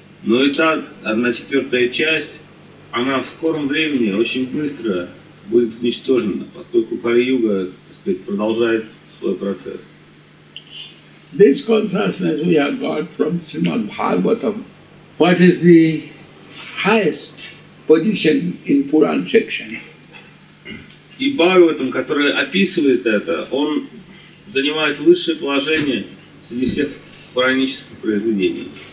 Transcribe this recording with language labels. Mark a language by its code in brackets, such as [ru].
[ru] Но и так, одна четвертая часть, она в скором времени очень быстро будет уничтожена, поскольку Кали-Юга, так сказать, продолжает свой процесс. [en] This consciousness we have got from Srimad Bhagavatam. What is the highest position in Puran section? [ru] И Бхагаватам, который описывает это, он занимает высшее положение среди всех пуранических произведений.